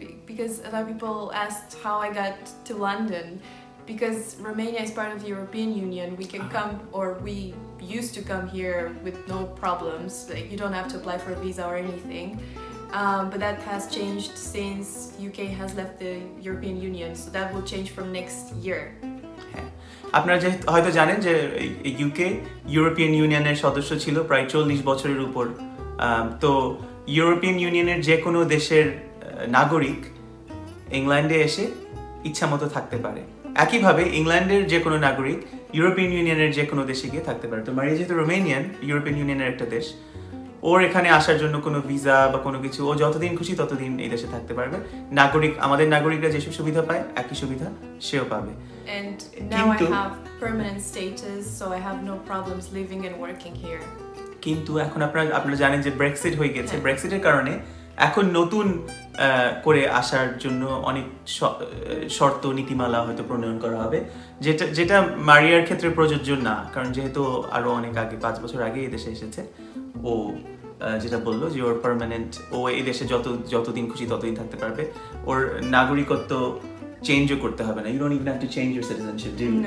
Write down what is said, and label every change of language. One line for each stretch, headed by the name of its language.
English: Because a lot of people asked how I got to London. Because Romania is part of the European Union, we can come or we used to come here with no problems. Like you don't have to apply for a visa or anything. But that has changed since UK has left the European Union. So that will change from next year.
Bangla: আপনারা যেহেতু হয়তো জানেন যে UK European ইউনিয়নের সদস্য ছিল প্রায় 40 বছরের উপর তো ইউরোপিয়ান ইউনিয়নের যে কোনো দেশের নাগরিক ইংল্যান্ডে এসে ইচ্ছামতো থাকতে পারে একইভাবে ইংল্যান্ডের যে কোনো নাগরিক ইউরোপিয়ান ইউনিয়নের যে কোনো দেশে গিয়ে থাকতে পারে তো মারিয়া যেহেতু রোমেনিয়ান ইউরোপিয়ান ইউনিয়নের একটা দেশ ওর এখানে আসার জন্য কোনো ভিসা বা কোনো কিছু ও যতদিন খুশি ততদিন এই দেশে থাকতে পারবে নাগরিক আমাদের নাগরিকরা যেসব সুবিধা পায় একই সুবিধা সেও পাবে
English: And now কিন্তু, I have permanent status so I have no problems living and working here
Bangla: কিন্তু এখন আপনারা জানেন যে ব্রেক্সিট হয়ে গেছে ব্রেক্সিটের কারণে এখন নতুন করে আসার জন্য অনেক শর্ত নীতিমালা হয়তো প্রণয়ন করা হবে যেটা যেটা মারিয়ার ক্ষেত্রে প্রযোজ্য না কারণ যেহেতু আরো অনেক আগে 5 বছর আগে এই দেশে এসেছে ও যেটা বললো যে ওর পার্মানেন্ট ও এই দেশে যত যতদিন খুশি ততদিন থাকতে পারবে ওর নাগরিকত্ব চেঞ্জও করতে হবে না
English: you don't even have to change your citizenship do you